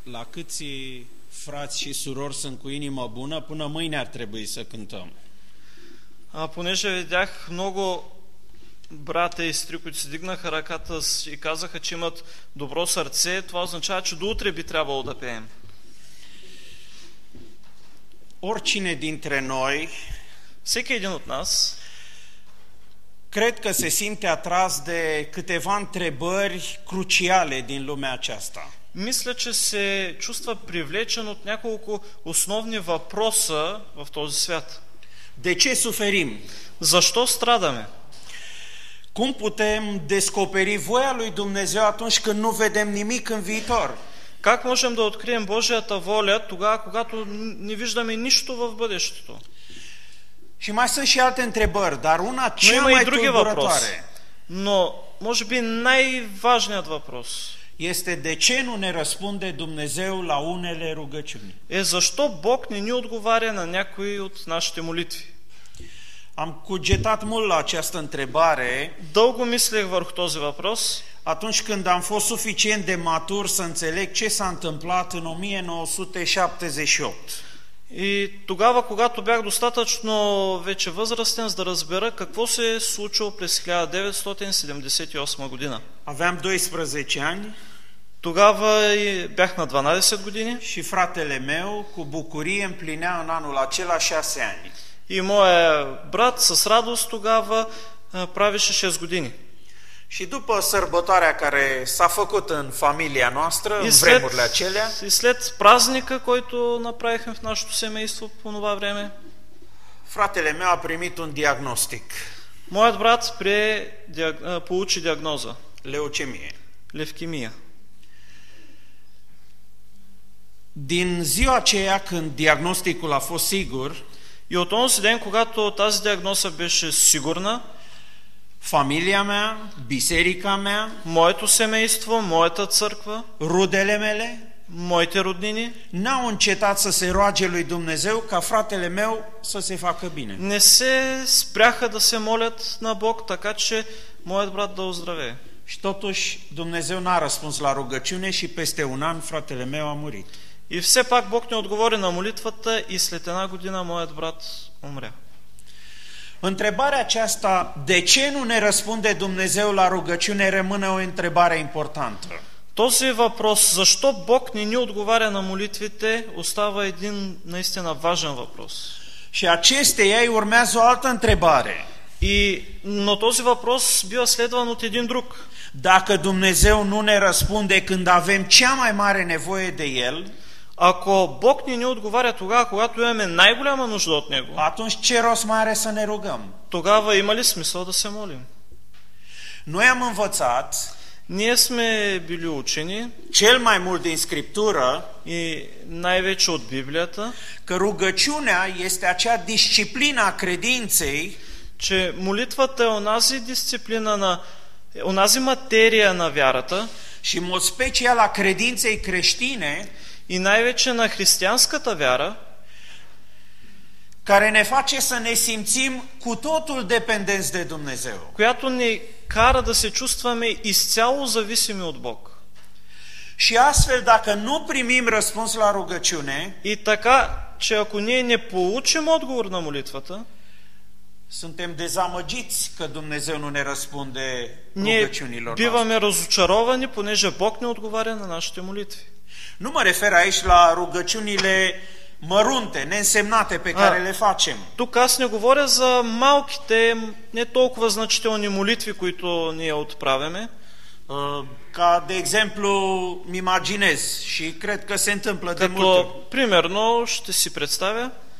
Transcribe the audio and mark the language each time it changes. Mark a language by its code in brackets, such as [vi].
[ro] Câți frați și surori sunt cu inima bună, până mâine ar trebui să cântăm. [bg] Понеже видях много брата и стри, които се дигнаха ръката и казаха, че имат добро сърце, това означава, че до утре би трябвало да пеем. [ro] Oricine dintre noi, [bg] всеки един от нас, [ro] cred că se simte atras de câteva întrebări cruciale din lumea aceasta. [bg] Мисля, че се чувства привлечен от няколко основни въпроса в този свят. [ro] De ce suferim? [bg] Защо страдаме? [ro] Cum putem descoperi voia lui Dumnezeu atunci când nu vedem nimic în viitor? [bg] Как можем да открием Божията воля тогава, когато не виждаме нищо в бъдещето? [ro] Și mai sunt și alte întrebări, dar una cea mai tulburătoare. [bg] Но, може би, най-важният въпрос [ro] este de ce nu ne răspunde Dumnezeu la unele rugăciuni. [bg] E, защо Бог не ни отговаря на някои от нашите молитви? [ro] Am cugetat mult la această întrebare. [bg] Дълго мислех върху този въпрос. [ro] Atunci când am fost suficient de matur să înțeleg ce s-a întâmplat în 1978. [bg] И тогава, когато бях достатъчно вече възрастен, за да разбера какво се е случило през 1978 година. [ro] Aveam 12 ani. [bg] Тогава бях на 12 години. [ro] Și fratele meu cu bucurie împlinea în anul acela 6 ani. [bg] И моят брат с радост тогава правеше 6 години. [ro] Și după sărbătoarea care s-a făcut în familia noastră, [bg] и [ro] în vremurile acelea, [bg] и след празника, който направихме в нашето семейство по това време, [ro] fratele meu a primit un diagnostic. [bg] Моят брат получи диагноза. [ro] Leucemie. [bg] Левкемия. [ro] Din ziua aceea când diagnosticul a fost sigur, [bg] и от онзи ден, когато тази диагноза беше сигурна, [ro] familia mea, biserica mea, [bg] моето семейство, моята църква, [ro] rudele mele, [bg] моите роднини, [ro] n-au încetat să se roage lui Dumnezeu ca fratele meu să se facă bine. [bg] Не се спряха да се молят на Бог, така че моят брат да оздравее. [ro] Și totuși Dumnezeu n-a răspuns la rugăciune și peste un an fratele meu a murit. [bg] И все пак Бог не отговори на молитвата и след една година моят брат умря. [ro] Întrebarea aceasta, de ce nu ne răspunde Dumnezeu la rugăciune, rămâne o întrebare importantă. [bg] Този въпрос, защо Бог не ни отговаря на молитвите, остава един наистина важен въпрос. [ro] Și acesteia îi urmează o altă întrebare. [bg] И, но този въпрос бива следван от един друг. [ro] Dacă Dumnezeu nu ne răspunde când avem cea mai mare nevoie de El, [bg] ако Бог не ни отговаря тогава, когато имаме най-голяма нужда от Него, [ro] atunci ce rost mai are să ne rugăm? [bg] Тогава има ли смисъл да се молим? [ro] Noi am învățat, [bg] ние сме били учени, [ro] cel mai mult din Scriptură, [bg] и най-вече от Библията, [ro] că rugăciunea este acea disciplină a credinței, [bg] че молитвата е онази дисциплина на онази материя на вярата, [ro] și mod special a credinței creștine, [bg] и най-вече на християнската вяра, [ro] care ne face să ne simțim cu totul dependenți de Dumnezeu, [bg] която ни кара да се чувстваме изцяло зависими от Бог. [ro] Și astfel, dacă nu primim răspuns la rugăciune, [bg] и така, че ако ние не получим отговор на молитвата, [ro] suntem dezamăgiți că Dumnezeu nu ne răspunde rugăciunilor noastre. [bg] Биваме разочаровани, понеже Бог не отговаря на нашите молитви. [ro] Nu mă refer aici la rugăciunile mărunte, neînsemnate pe care le facem. [bg] Тук аз не говоря за малките, не толкова значителни молитви, които ние отправяме. [ro] Ca de exemplu, mi imaginez și cred că se întâmplă [bg] като, [ro] de multe. [bg] Примерно, ще си представя.